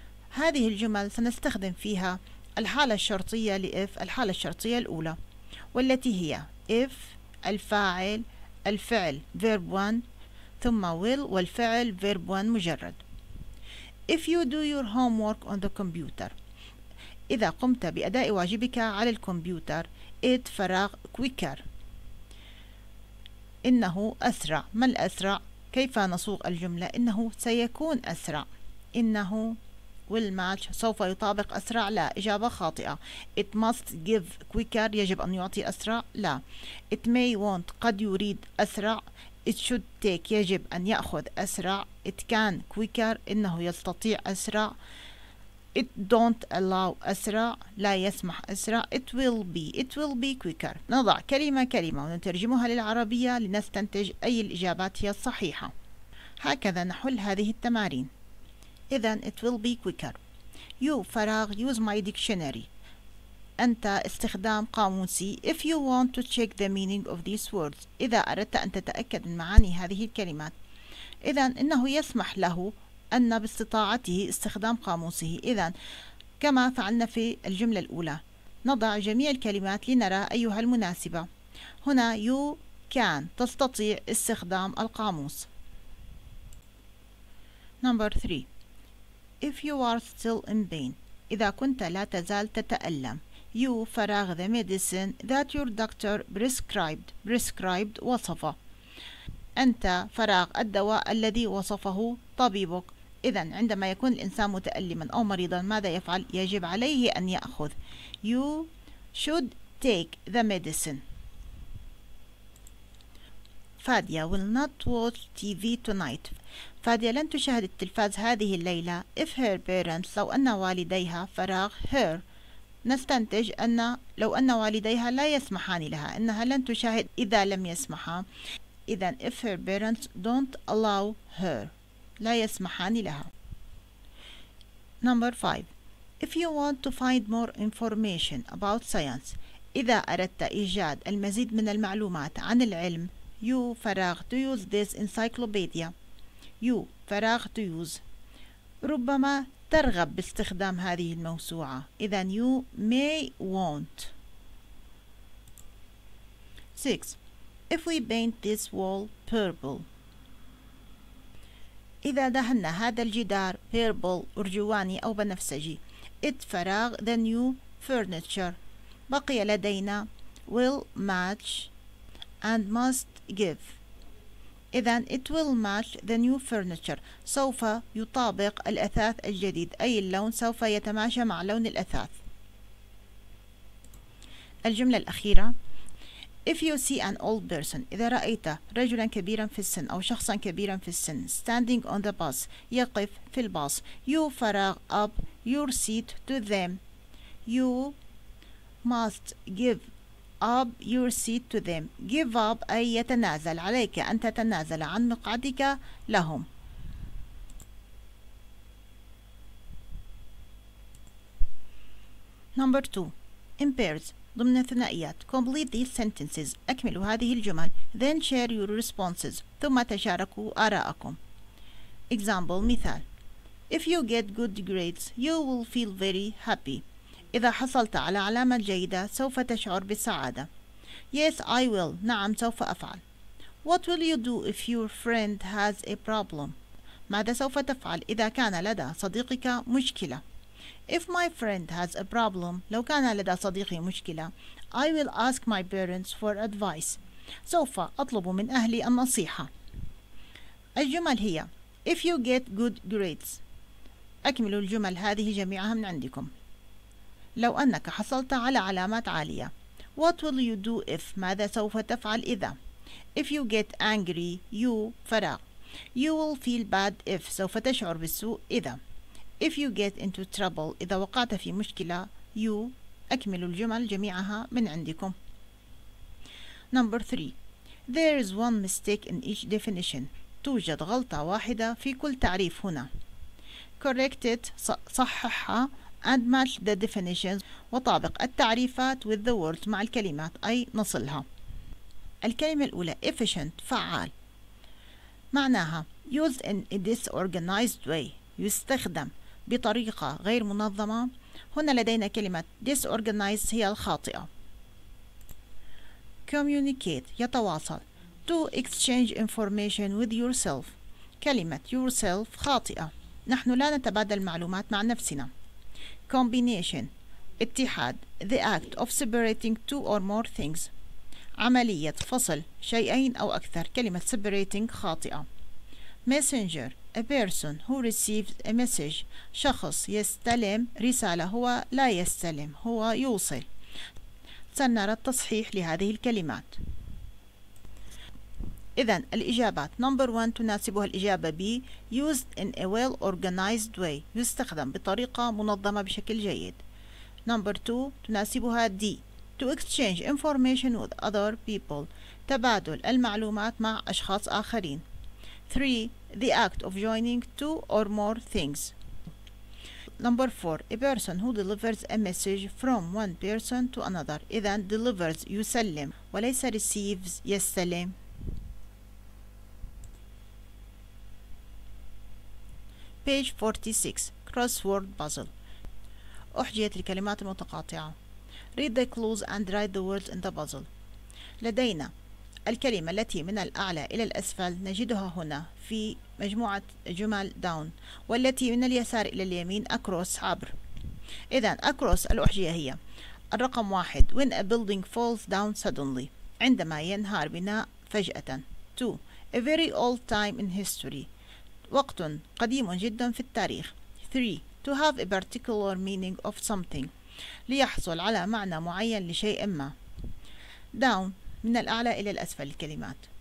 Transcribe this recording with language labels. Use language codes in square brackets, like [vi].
[ar] هذه الجمل سنستخدم فيها الحالة الشرطية لإف الحالة الشرطية الأولى والتي هي إف الفاعل الفعل verb 1 ثم will والفعل verb 1 مجرد. [en] If you do your homework on the computer [ar] إذا قمت بأداء واجبك على الكمبيوتر [en] it [ar] فراغ [en] quicker [ar] إنه أسرع. ما الأسرع؟ كيف نصوغ الجملة؟ إنه سيكون أسرع. إنه [en] will match [ar] سوف يطابق أسرع. لا إجابة خاطئة. [en] It must give quicker [ar] يجب أن يعطي أسرع. لا. [en] It may want [ar] قد يريد أسرع. [en] It should take [ar] يجب أن يأخذ أسرع. [en] It can quicker [ar] إنه يستطيع أسرع. [en] It don't allow [ar] أسرع لا يسمح أسرع. [en] It will be quicker. [ar] نضع كلمة كلمة ونترجمها للعربية لنستنتج أي الإجابات هي الصحيحة. هكذا نحل هذه التمارين. إذن [en] it will be quicker. You [ar] فراغ [en] use my dictionary. [ar] أنت استخدام قاموسي. [en] If you want to check the meaning of these words. [ar] إذا أردت أن تتأكد من معاني هذه الكلمات. إذن إنه يسمح له أن باستطاعته استخدام قاموسه. إذن كما فعلنا في الجملة الأولى. نضع جميع الكلمات لنرى أيها المناسبة. هنا [en] you can [ar] تستطيع استخدام القاموس. [en] Number 3 If you are still in pain, [ar] إذا كنت لا تزال تتألم. [en] You [ar] فراغ [en] the medicine that your doctor prescribed. [ar] Prescribed وصفه. أنت فراغ الدواء الذي وصفه طبيبك. إذن عندما يكون الإنسان متألما أو مريضا ماذا يفعل؟ يجب عليه أن يأخذ. You [en] should take the medicine. Fadia will not watch TV tonight. [ar] Fadia لن تشاهد التلفاز هذه الليلة. [en] If her parents, [ar] لو أن والديها فراغ her. نستنتج أن لو أن والديها لا يسمحان لها أنها لن تشاهد إذا لم يسمحا. إذا [en] if her parents don't allow her. [ar] لا يسمحان لها. [en] Number 5. If you want to find more information about science. [ar] إذا أردت إيجاد المزيد من المعلومات عن العلم. [en] You [ar] فراغ [en] to use this encyclopedia. You فراغ to use. [ar] ربما ترغب باستخدام هذه الموسوعة. إذا [en] you may want. 6. If we paint this wall purple. [ar] إذا دهنا هذا الجدار purple أرجواني أو بنفسجي. [en] It [ar] فراغ [en] the new furniture. [ar] بقي لدينا [en] will match and must give. [ar] إذا [en] it will match the new furniture. [ar] سوف يطابق الأثاث الجديد. أي اللون سوف يتماشى مع لون الأثاث. الجملة الأخيرة. [en] If you see an old person. [ar] إذا رأيت رجلا كبيرا في السن أو شخصا كبيرا في السن. [en] Standing on the bus. [ar] يقف في الباص. [en] You [ar] فراغ [en] up your seat to them. You must give up your seat to them. [ar] Give up أي يتنازل. عليك أن تتنازل عن مقعدك لهم. [en] Number 2. In pairs. [ar] ضمن ثنائيات. [en] Complete these sentences. [ar] أكملوا هذه الجمل. [en] Then share your responses. [ar] ثم تشاركوا آراءكم. [en] Example. [ar] مثال. [en] If you get good grades, you will feel very happy. [ar] إذا حصلت على علامة جيدة سوف تشعر بالسعادة. [en] Yes, I will. [ar] نعم سوف أفعل. [en] What will you do if your friend has a problem? [ar] ماذا سوف تفعل إذا كان لدى صديقك مشكلة؟ [en] If my friend has a problem, [ar] لو كان لدى صديقي مشكلة, [en] I will ask my parents for advice. [ar] سوف أطلب من أهلي النصيحة. الجمل هي [en] If you get good grades. [ar] أكملوا الجمل هذه جميعها من عندكم. لو أنك حصلت على علامات عالية. [en] What will you do if? [ar] ماذا سوف تفعل إذا؟ [en] If you get angry, you [ar] فراغ. [en] You will feel bad if. [ar] سوف تشعر بالسوء إذا. [en] If you get into trouble. [ar] إذا وقعت في مشكلة. You أكمل الجمل جميعها من عندكم. [en] Number 3. There is one mistake in each definition. [ar] توجد غلطة واحدة في كل تعريف هنا. [en] Correct it. [ar] صححها. [en] And match the definitions. [ar] وطابق التعريفات [en] with the words [ar] مع الكلمات أي نصلها. الكلمة الأولى efficient فعال. معناها [en] used in a disorganized way. [ar] يستخدم بطريقة غير منظمة. هنا لدينا كلمة disorganized هي الخاطئة. [en] Communicate يتواصل. To exchange information with yourself. [ar] كلمة yourself خاطئة. نحن لا نتبادل معلومات مع نفسنا. [en] Combination اتحاد. The act of separating two or more things. [ar] عملية فصل شيئين أو أكثر. كلمة separating خاطئة. [en] Messenger a person who receives a message. [ar] شخص يستلم رسالة. هو لا يستلم هو يوصل. سنرى التصحيح لهذه الكلمات. إذن الإجابات number 1 تناسبها الإجابة B [en] used in a well organized way [ar] يستخدم بطريقة منظمة بشكل جيد. [en] Number 2 [ar] تناسبها [en] D to exchange information with other people [ar] تبادل المعلومات مع أشخاص آخرين. [en] 3 the act of joining two or more things. Number 4 a person who delivers a message from one person to another. [ar] إذن delivers يسلم وليس receives يستلم. [en] Page 46. Crossword puzzle. [ar] أحجية الكلمات المتقاطعة. [en] Read the clues and write the words in the puzzle. [ar] لدينا الكلمة التي من الأعلى إلى الأسفل نجدها هنا في مجموعة جمل down والتي من اليسار إلى اليمين across عبر. إذن across الأحجية هي الرقم 1 [en] when a building falls down suddenly [ar] عندما ينهار بناء فجأة. [en] 2 a very old time in history [ar] وقت قديم جدا في التاريخ. [en] 3 to have a particular meaning of something [ar] ليحصل على معنى معين لشيء ما. down من الأعلى إلى الأسفل الكلمات.